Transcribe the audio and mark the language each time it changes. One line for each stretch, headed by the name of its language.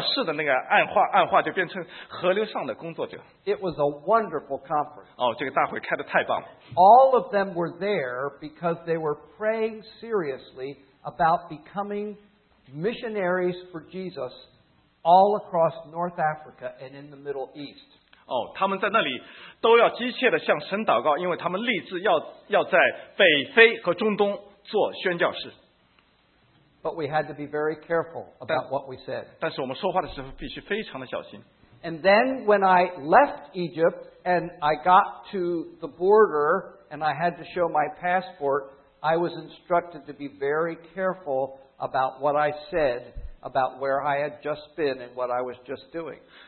Chinese: 那个宣教工作者，宣教室的那个暗话就变成河流上的工作者。
English: It was a wonderful conference.
Chinese: 这个大会开得太棒了。
English: All of them were there because they were praying seriously about becoming missionaries for Jesus all across North Africa and in the Middle East.
Chinese: 他们在那里都要急切地向神祷告，因为他们立志要在北非和中东做宣教士。
English: But we had to be very careful about what we said.
Chinese: 但是我们说话的时候必须非常的小心。
English: And then when I left Egypt and I got to the border and I had to show my passport, I was instructed to be very careful about what I said about where I had just been and what I was just doing.